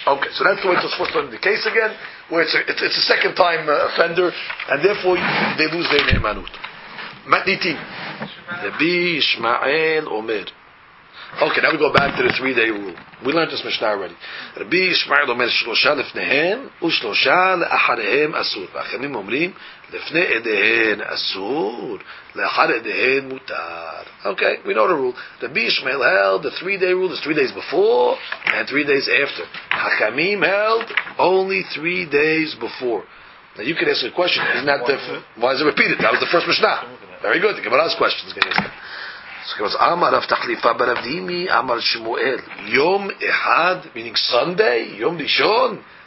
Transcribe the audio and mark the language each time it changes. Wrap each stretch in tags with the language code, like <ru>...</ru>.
<en>Okay, so that's the way it's supposed to end the case again, where it's a second time offender, and therefore they lose their ne'emanut. Matnitin. Rabbi Ishmael Omer. Okay, now we go back to the 3-day rule. We learned this Mishnah already.</en> <he>Rabbi Ishmael Omer, Shlosha lefnehem, Ushlosha le'ahareem asur. Vachemim omrim, לפני עדיהן אסור, לאחר עדיהן מותר.</he> <en>Okay, we know the rule. Rabbi Ishmael held the 3-day rule, is 3 days before and 3 days after. Hakamim held only 3 days before. Now you could ask a question, isn't that different? Why is it repeated? That was the first Mishnah. Very good, the Gemara's question is going to ask that. So it was Amar Rav Tachlifa Barav Dimi, Amar Shmuel,</en> <he>Yom Ehad,</he> <en>meaning Sunday, Yom Rishon,</en>